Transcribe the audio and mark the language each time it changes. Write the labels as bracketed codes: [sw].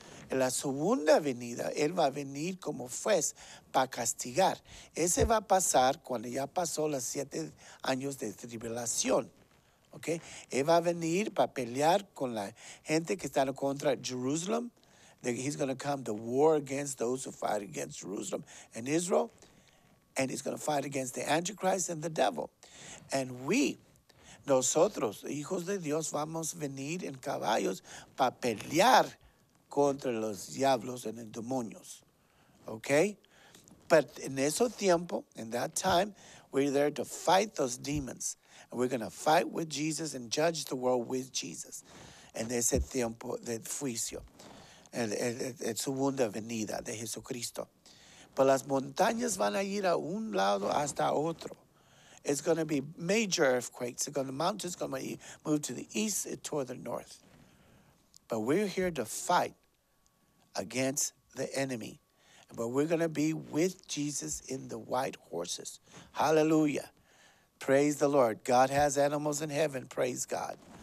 [es] En la segunda venida, él va a venir como juez para castigar. Ese va a pasar cuando ya pasó los 7 años de tribulación. Okay. Él va a venir para pelear con la gente que está en contra de Jerusalem. [en] He's going to come to war against those who fight against Jerusalem and Israel. And he's going to fight against the Antichrist and the devil. [es] And nosotros, hijos de Dios, vamos a venir en caballos para pelear contra los diablos y los demonios. Okay? [en] But in [es] ese tiempo, [en] in that time, we're there to fight those demons. We're going to fight with Jesus and judge the world with Jesus. [es] En ese tiempo de juicio, en segunda venida de Jesucristo. Pero las montañas van a ir a un lado hasta otro. [en] It's going to be major earthquakes. The mountains are going to move to the east and toward the north. But we're here to fight against the enemy. But we're going to be with Jesus in the white horses. Hallelujah. Praise the Lord. God has animals in heaven. Praise God.